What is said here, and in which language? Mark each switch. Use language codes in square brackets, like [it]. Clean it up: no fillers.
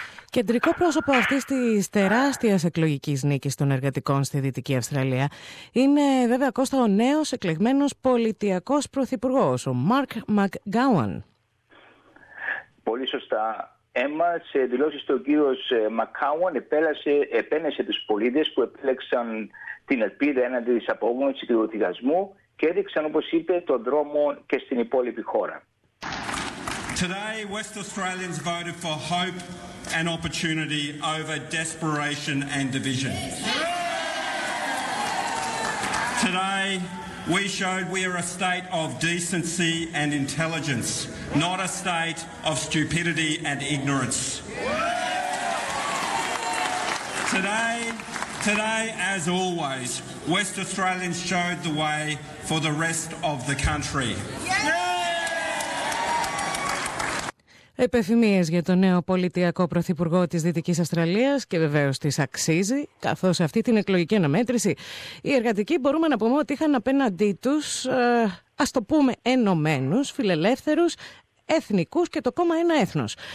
[el] Κεντρικό πρόσωπο αυτής της τεράστιας εκλογικής νίκης των εργατικών στη Δυτική Αυστραλία είναι βέβαια, Κώστα, ο νέος εκλεγμένος πολιτιακός πρωθυπουργός, ο Μαρκ Μακγκάουαν. Πολύ σωστά. Έμα, σε δηλώσεις του κύριος Μακγκάουαν επένεσε τους πολίτες που επέλεξαν την ελπίδα έναντι της απόγνωσης και του διδασμού και έδειξαν, όπως είπε, τον δρόμο και στην υπόλοιπη χώρα. [en] Today, West Australians voted for hope and opportunity over desperation and division. Today, we showed we are a state of decency and intelligence, not a state of stupidity and ignorance. Today, as always, West Australians showed the way for the rest of the country. [el] Επιθυμίες για τον νέο πολιτιακό πρωθυπουργό της Δυτικής Αυστραλίας και βεβαίως της αξίζει, καθώς σε αυτή την εκλογική αναμέτρηση οι εργατικοί μπορούμε να πούμε ότι είχαν απέναντί τους, ας το πούμε, ενωμένους, φιλελεύθερους, εθνικούς και το κόμμα Ένα Έθνος.